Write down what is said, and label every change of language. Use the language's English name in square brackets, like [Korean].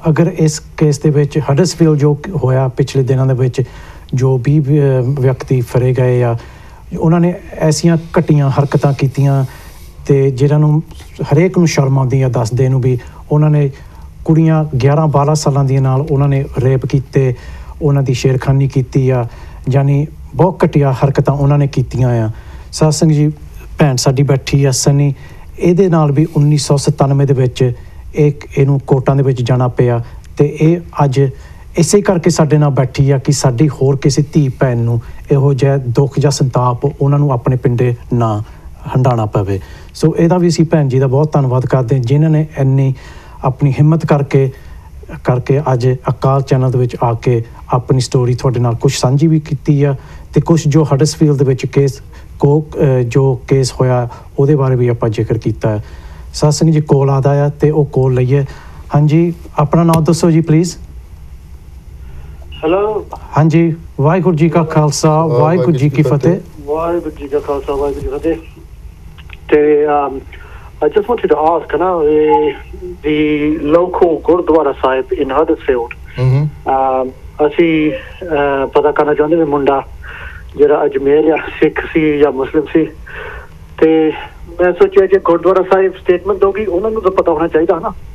[Punjabi] Agar is case de vich Huddersfield jo hoya pichle dinan de vich jo bhi vyakti fare gaye ya unhan ne aisiyan ghatiyan harkatan kitiyan te jinhan nu harek nu sharm aundi ya dasde nu bhi unhan ne ਕੁੜੀਆਂ 11-12 ਸਾਲਾਂ ਦੀਆਂ ਨਾਲ ਉਹਨਾਂ ਨੇ rape ਕੀਤੇ ਉਹਨਾਂ ਦੀ ਛੇੜਖਾਨੀ ਕੀਤੀ ਆ ਯਾਨੀ ਬਹੁਤ ਘਟੀਆ ਹਰਕਤਾਂ ਉਹਨਾਂ ਨੇ ਕੀਤੀਆਂ ਆ। ਸਤਸੰਗ ਜੀ ਭੈਣ ਸਾਡੀ ਬੈਠੀ ਆ ਸਨੀ, ਇਹਦੇ ਨਾਲ ਵੀ 1997 ਦੇ ਵਿੱਚ ਇਹ ਇਹਨੂੰ ਕੋਰਟਾਂ ਦੇ ਵਿੱਚ ਜਾਣਾ ਪਿਆ ਅਤੇ ਇਹ ਅੱਜ ਇਸੇ ਕਰਕੇ ਸਾਡੇ ਨਾਲ ਬੈਠੀ ਆ ਕਿ ਸਾਡੀ ਹੋਰ ਕਿਸੇ ਧੀ ਭੈਣ ਨੂੰ ਇਹੋ ਜਿਹਾ ਦੁੱਖ ਜਾਂ ਸੰਤਾਪ ਉਹਨਾਂ ਨੂੰ ਆਪਣੇ ਪਿੰਡੇ ਨਾ ਹੰਢਾਉਣਾ ਪਵੇ। ਸੋ ਇਹਦਾ ਵੀ ਅਸੀਂ ਭੈਣ ਜੀ ਦਾ ਬਹੁਤ ਧੰਨਵਾਦ ਕਰਦੇ ਹਾਂ ਜਿਨ੍ਹਾਂ ਨੇ ਇੰਨੀ ਆਪਣੀ ਹਿੰਮਤ ਕਰਕੇ ਅੱਜ ਅਕਾਲ ਚੈਨਲ ਦੇ ਵਿੱਚ ਆ ਕੇ ਆਪਣੀ ਸਟੋਰੀ ਤੁਹਾਡੇ ਨਾਲ ਕੁਛ ਸਾਂਝੀ ਵੀ ਕੀਤੀ ਆ ਅਤੇ ਕੁਛ ਜੋ ਹੱਡਸਫੀਲਡ ਦੇ ਵਿੱਚ ਜੋ ਕੇਸ ਹੋਇਆ ਉਹਦੇ ਬਾਰੇ ਵੀ ਆਪਾਂ ਜ਼ਿਕਰ ਕੀਤਾ ਹੈ। ਸਤਸੰਗ ਜੀ ਕੋਲ ਆਉਂਦਾ ਆ ਅਤੇ ਉਹ ਕੋਲ ਲਈਏ। ਹਾਂਜੀ, ਆਪਣਾ ਨਾਮ ਦੱਸੋ ਜੀ ਪਲੀਜ਼। ਹੈਲੋ। ਹਾਂਜੀ, ਵਾਹਿਗੁਰੂ ਜੀ ਕਾ ਖਾਲਸਾ ਵਾਹਿਗੁਰੂ ਜੀ ਕੀ ਫਤਿਹ। ਵਾਹਿਗੁਰੂ ਜੀ ਕਾ ਖਾਲਸਾ ਵਾਹਿਗੁਰੂ ਜੀ ਕੀ ਫਤਿਹ। [English] ਤੇ I just wanted to ask, you know, the local Gurdwara Sahib in Huddersfield. [Punjabi] ਅਸੀਂ ਪਤਾ ਕਰਨਾ ਚਾਹੁੰਦੇ ਵੀ ਮੁੰਡਾ ਜਿਹੜਾ ਅਜਮੇਰ ਜਾਂ ਸਿੱਖ ਸੀ ਜਾਂ ਮੁਸਲਿਮ ਸੀ, ਤੇ ਮੈਂ ਸੋਚਿਆ ਜੇ ਗੁਰਦੁਆਰਾ ਸਾਹਿਬ ਸਟੇਟਮੈਂਟ ਦਊਗੀ ਉਹਨਾਂ ਨੂੰ ਤਾਂ ਪਤਾ ਹੋਣਾ ਚਾਹੀਦਾ ਨਾ।